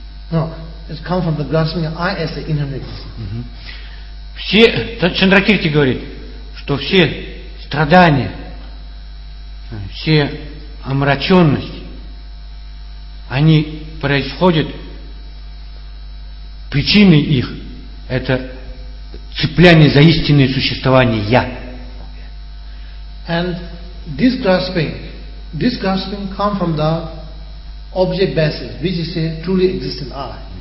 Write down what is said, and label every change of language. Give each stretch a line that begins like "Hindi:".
English: No, it comes from the grasping of I as the inner existence.
Russian: Все, Чандракирти говорит, что все страдания, все омраченности, они происходят, причиной их это цепляние за истинное существование Я.
English: And this grasping comes from the object basis, which is a truly existent I.